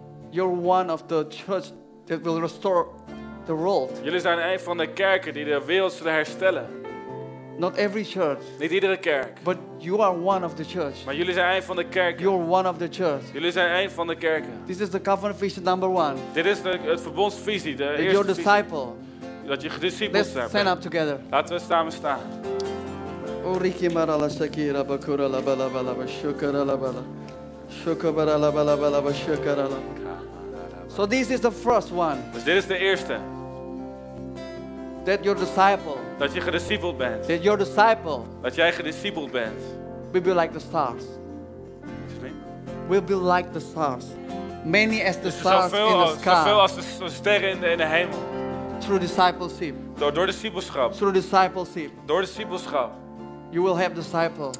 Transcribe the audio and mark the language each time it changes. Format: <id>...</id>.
<en>You're one of the church that will restore the world.</en> <nl>Jullie zijn een van de kerken die de wereld zullen herstellen.</nl> <en>Not every church.</en> <nl>Niet iedere kerk.</nl> <en>But you are one of the church.</en> <nl>Maar jullie zijn een van de kerken.</nl> <en>You're one of the church.</en> <nl>Jullie zijn een van de kerken.</nl> <en>This is the covenant vision number one.</en> <nl>Dit is het verbondsvisie. De</nl> <en>that you're disciple.</en> <nl>Dat je discipel bent.</nl> <en>Let's stand up together.</en> <nl>Laten we samen staan. Oriki marala shakira bakura la bala bala shukara la bala shukara la bala bala shukara la.</nl> <en>So this is the first one.</en> <nl>Dus dit is de eerste.</nl> <en>That your disciple.</en> <nl>Dat je gediscipled bent.</nl> <en>That your disciple.</en> <nl>Dat jij gediscipled bent.</nl> <en>We'll be like the stars. We'll be like the stars. Many as the stars in the sky.</en> <nl>Zoveel als de sterren in de hemel.</nl> <en>through discipleship.</en> <nl>Door discipleschap.</nl> <en>Through discipleship.</en> <nl>Door discipleschap.</nl> <en>You will have disciples.</en>